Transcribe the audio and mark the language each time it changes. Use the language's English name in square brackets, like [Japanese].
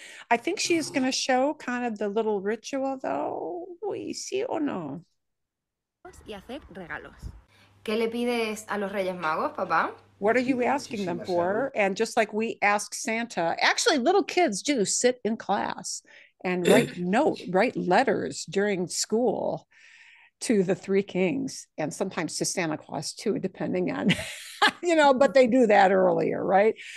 [English] I think she is going to show kind of the little ritual, though. [Spanish] Uy, ¿sí o no? Y hacer regalos. ¿Qué le pides a los Reyes Magos, papá? [English] What are you asking them for? And just like we ask Santa, actually little kids do sit in class and write letters during school to the three kings and sometimes to Santa Claus too, depending on, you know, but they do that earlier, right?